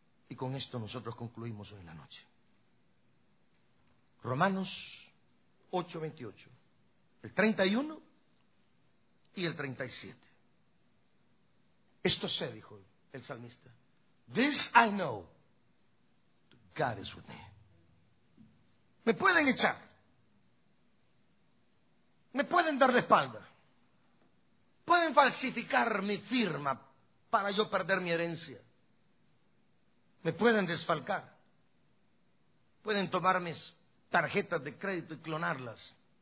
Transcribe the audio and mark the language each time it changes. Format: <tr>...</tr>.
<es>Y con esto nosotros concluimos hoy en la noche. Romanos 8, 28. El 31 y el 37. Esto sé, dijo el salmista.</es> <en>This I know, God is with me.</en> <es>Me pueden echar. Me pueden dar la espalda. Pueden falsificar mi firma para yo perder mi herencia. Me pueden desfalcar. Pueden tomar mis tarjetas de crédito y clonarlas.</es>